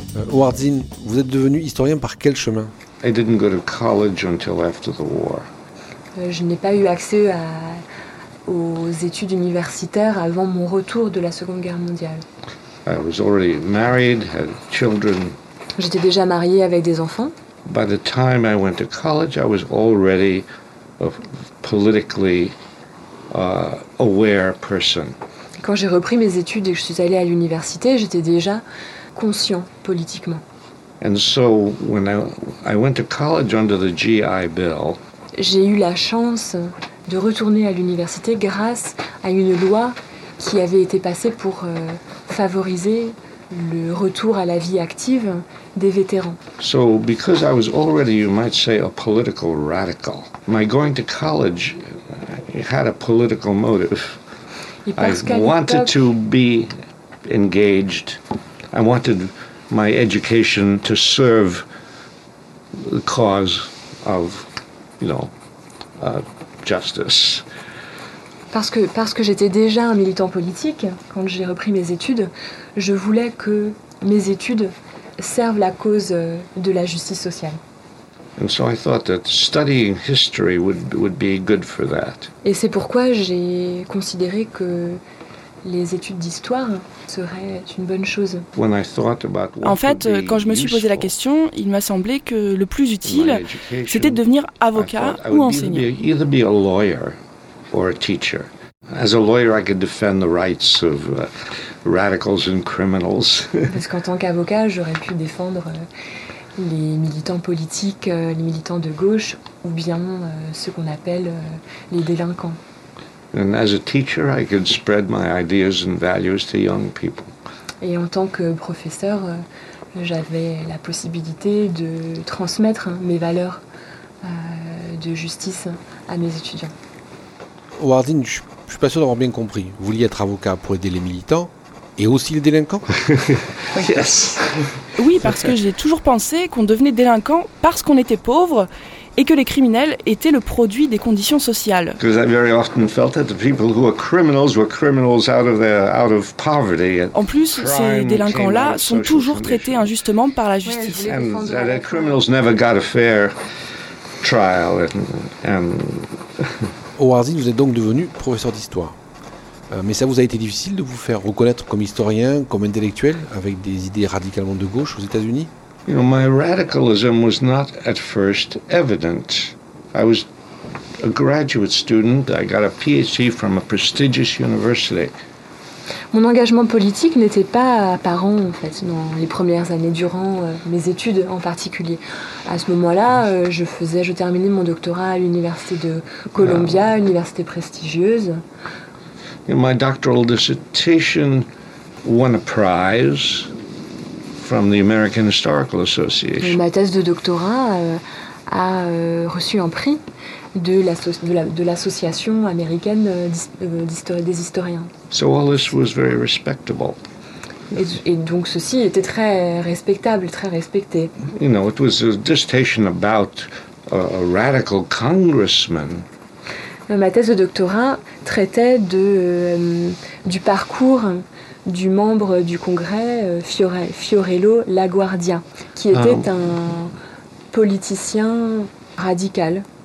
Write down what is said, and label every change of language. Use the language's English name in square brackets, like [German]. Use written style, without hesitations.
[French] Wardine, vous êtes devenu historien par quel chemin? [English] I didn't go to college until after the war. [French] Je n'ai pas eu accès aux études universitaires avant mon retour de la Seconde Guerre mondiale. [English] I was already married, had children. [French] J'étais déjà mariée avec des enfants. [English] By the time I went to college, I was already a politically aware person. [French] Quand j'ai repris mes études et que je suis allée à l'université, j'étais déjà conscient politiquement. [English] And so when I went to college under the GI Bill. [French] J'ai eu la chance de retourner à l'université grâce à une loi qui avait été passée pour favoriser le retour à la vie active des vétérans. [English] So because I was already, you might say, a political radical, my going to college had a political motive. I wanted to be engaged. I wanted my education to serve the cause of, you know, justice. [French] Parce que j'étais déjà un militant politique quand j'ai repris mes études, je voulais que mes études servent la cause de la justice sociale. [English] And so I thought that studying history would be good for that. [French] Et c'est pourquoi j'ai considéré que les études d'histoire seraient une bonne chose. [English] When I thought about what [French] en fait, [English] would be [French] quand je me suis posé la question, il m'a semblé que le plus utile, c'était de devenir avocat ou enseignant. [English] Either be a lawyer or a teacher. As a lawyer, I could defend the rights of radicals and criminals. [French] Parce qu'en tant qu'avocat, j'aurais pu défendre les militants politiques, les militants de gauche, ou bien ce qu'on appelle les délinquants. [English] And as a teacher, I could spread my ideas and values to young people. [French] Et en tant que professeur, j'avais la possibilité de transmettre mes valeurs de justice à mes étudiants. Wardin, je ne suis pas sûr d'avoir bien compris. Vous vouliez être avocat pour aider les militants et aussi les délinquants? [English] Yes. [French] Oui, parce que j'ai toujours pensé qu'on devenait délinquant parce qu'on était pauvre et que les criminels étaient le produit des conditions sociales. [English] Because I very often felt that the people who were criminals out of poverty. [French] En plus, ces délinquants-là sont toujours traités injustement par la justice. [English] And the criminals never got a fair trial. [French] Wardin, vous êtes donc devenu professeur d'histoire. Mais ça vous a été difficile de vous faire reconnaître comme historien, comme intellectuel, avec des idées radicalement de gauche aux États-Unis? [English] You know, my radicalism was not at first evident. I was a graduate student. I got a PhD from a prestigious university. [French] Mon engagement politique n'était pas apparent, en fait, dans les premières années durant mes études en particulier. À ce moment-là, je terminais mon doctorat à l'Université de Columbia, université prestigieuse. [English] In my doctoral dissertation won a prize from the American Historical Association. [French] Ma thèse de doctorat a reçu un prix de l'association américaine des historiens. [English] So all this was very respectable. [French] Et donc ceci était très respectable, très respecté. [English] You know, it was a dissertation about a radical congressman. [French] Ma thèse de doctorat traitait du parcours du membre du Congrès Fiorello LaGuardia, qui était un politicien radical.